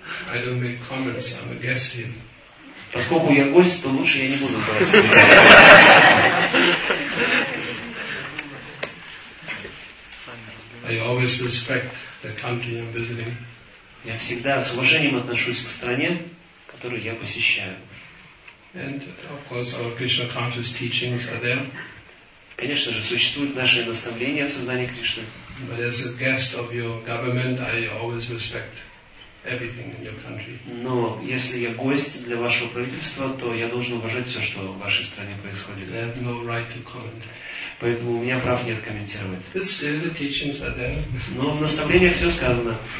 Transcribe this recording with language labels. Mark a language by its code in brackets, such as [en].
[en] I don't make comments, I'm a guest here. [ru] Поскольку я гость, то лучше я не буду говорить. [en] I always respect the country I'm visiting. [ru] Я всегда с уважением отношусь к стране, которую я посещаю. [en] And of course, our Krishna conscious teachings are there. [ru] Конечно же, существуют наши наставления о сознании Кришны. [en] But as a guest of your government, I always respect everything in your country. [ru] Но если я гость для вашего правительства, то я должен уважать все, что в вашей стране происходит. [en] I have no right to comment. [ru] Поэтому у меня прав нет комментировать. [en] But still, the teachings are there. [ru] Но в наставлениях все сказано.